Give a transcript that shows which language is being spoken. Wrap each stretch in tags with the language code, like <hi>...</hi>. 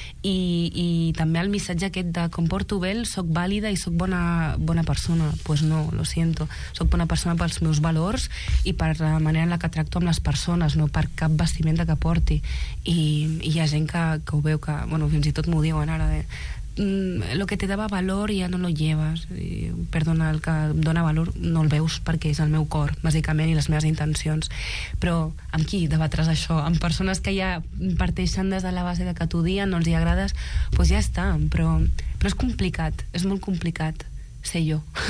<ca>I també el missatge aquest de com porto bé, soc vàlida i soc bona persona.</ca> <es>Pues no, lo siento.</es> <ca>Soc bona persona pels meus valors i per la manera en la que tracto amb les persones, no per cap vestimenta que porti. I hi ha gent que ho veu, que bueno, fins i tot m'ho diuen ara, de...</ca> <es>lo que te daba valor ya no lo llevas.</es> <ca>I, perdona, el que dona valor no el veus perquè és el meu cor, bàsicament, i les meves intencions. Però amb qui debatràs això? Amb persones que ja parteixen des de la base de que t'odien, no els hi agrades, doncs pues ja està. Però és complicat, és molt complicat ser jo.</ca>